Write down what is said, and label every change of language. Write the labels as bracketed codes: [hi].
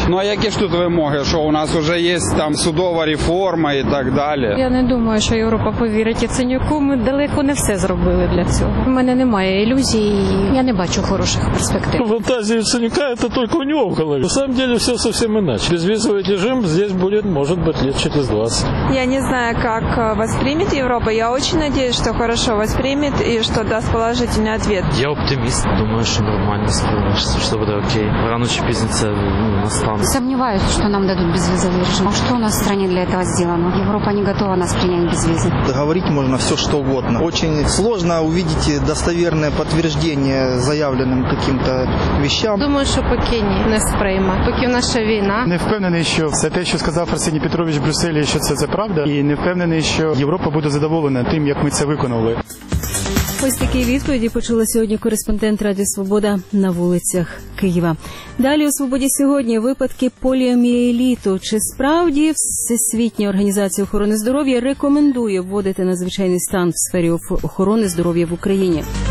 [uk] Ну, а які ж тут вимоги, що у нас вже є там судова реформа і так далі? Я не думаю, що Європа повірить Яценюку. Ми далеко не все зробили для цього. У мене немає ілюзій, я не бачу хороших перспектив. Фантазія Яценюка – це тільки у нього в голові. [ru] На самом деле все [uk] зовсім інакше. Безвізовий режим [ru] здесь [uk] буде, може бути, літ через 20. [ru] Я не знаю, как воспримет Европа. Я очень надеюсь, что хорошо воспримет и что даст положительный ответ. Я оптимист. Думаю, что нормально справишься, что будет окей. Рано или поздно это настанет. Сомневаюсь, что нам дадут безвизовый режим. А что у нас в стране для этого сделано? Европа не готова нас принять без визы. Договорить можно все, что угодно. Очень сложно увидеть достоверное подтверждение заявленным каким-то вещам. Думаю, что пока не спримет. Пока наша война. Не уверен, что все то, что сказал Арсений Петрович в Брюсселе, что это правда. [uk] І не впевнений, що Європа буде задоволена тим, як ми це виконали. Ось такі відповіді почула сьогодні кореспондент Радіо Свобода на вулицях Києва. Далі у Свободі сьогодні випадки поліоміеліту. Чи справді Всесвітня організація охорони здоров'я рекомендує вводити надзвичайний стан в сфері охорони здоров'я в Україні?